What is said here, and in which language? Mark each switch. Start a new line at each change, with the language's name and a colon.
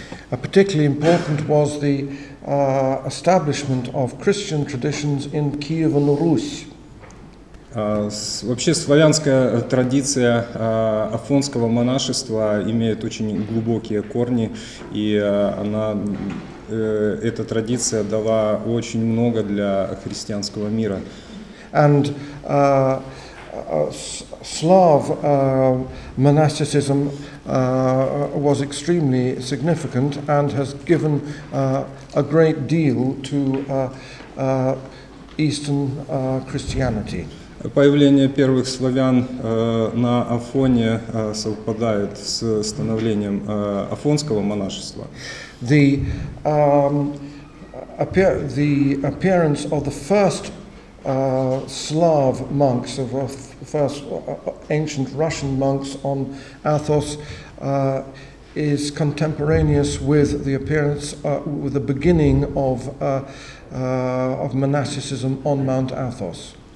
English: Particularly important was the establishment of Christian traditions in Kievan Rus'.
Russian: Вообще славянская традиция афонского монашества имеет очень глубокие корни, и она эта традиция дала очень много для христианского мира.
English: And Slav monasticism was extremely significant and has given a great deal to Eastern Christianity.
Russian: Появление первых славян на Афоне совпадает с становлением афонского монашества.
English: The appearance of the first Slav monks, of the first ancient Russian monks on Athos, is contemporaneous with the appearance, with the beginning of monasticism on Mount Athos.